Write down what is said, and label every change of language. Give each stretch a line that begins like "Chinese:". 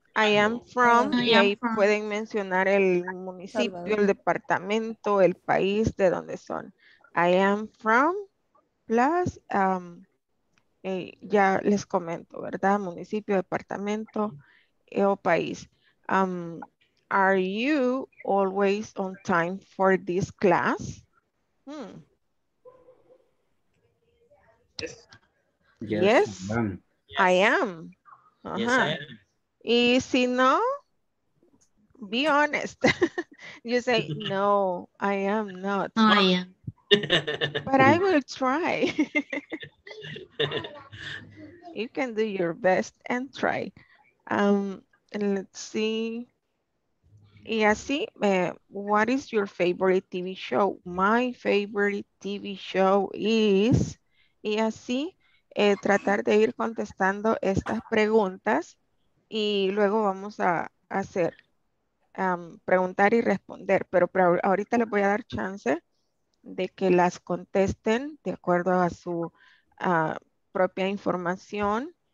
Spanish: Pueden mencionar el municipio, el departamento, el país de donde son.
English: I am from plus,
Spanish: ya les comento, ¿verdad? Municipio, departamento o país.
English: Are you always on time for this class? Hmm. Yes. Yes, I am. Yes, I am. Uh-huh. Yes, I am.
Spanish: Y si no,
English: be honest. You say, no, I am not. No, I am. But I will try. You can do your best and try. And let's see.
Spanish: Y así,
English: what is your favorite TV show? My favorite TV show is...
Spanish: Y así, tratar de ir contestando estas preguntas y luego vamos a hacer preguntar y responder. Pero ahorita les voy a dar chance de que las contesten de acuerdo a su propia información.